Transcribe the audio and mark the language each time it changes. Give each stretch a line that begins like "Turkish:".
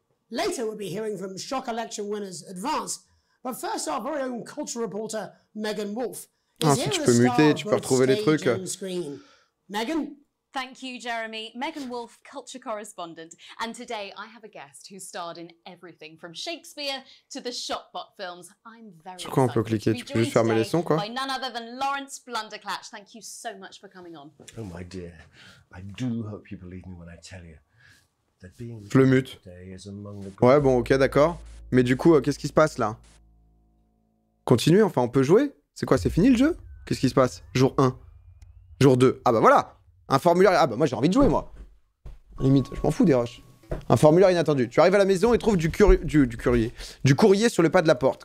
English: Later, we'll be hearing from shock election winners Advance, but first, our very own culture reporter, Megan Wolf.
French: Ah, si tu peux muter, tu peux retrouver les trucs.
English: Megan? Thank you, Jeremy. Megan Wolf, culture correspondent. And today, I have a guest who starred in everything from Shakespeare to the Shopbot films. I'm very
French: excited. Sur quoi on peut cliquer? Tu peux juste fermer les sons, quoi?
English: By none other than Lawrence Blunderclatch. Thank you so much for coming on. Oh, my dear. I do hope you believe me when I tell you
French: that being le mute. Ouais, bon, ok, d'accord. Mais du coup, qu'est-ce qui se passe, là? Continuez, enfin, on peut jouer? C'est quoi, c'est fini, le jeu? Qu'est-ce qui se passe? Jour 1. Jour 2. Ah bah voilà! Un formulaire... Ah bah moi j'ai envie de jouer, moi. Limite, je m'en fous des rushs. Un formulaire inattendu. Tu arrives à la maison et trouves du courrier sur le pas de la porte.